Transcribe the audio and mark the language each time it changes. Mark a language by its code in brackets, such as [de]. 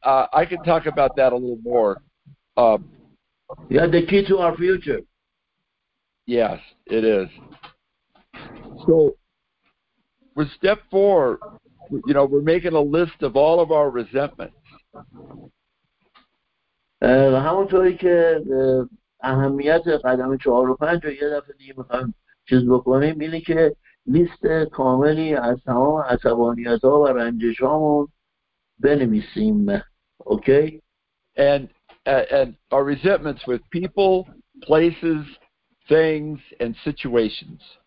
[en] I can talk about that a little more. Yeah, the key to our future. Yes, it is. So, with step 4, you know, we're making a list of all of our resentments. [fa] همونطوری که اهمیت قدم 4 و 5 رو یه دفعه دیگه می‌خوام چیز بکنیم، اینه که لیست کاملی از تمام عصبانیت‌ها و رنجش‌هامون بنویسیم. [en] Okay? And our resentments with people, places, things and situations.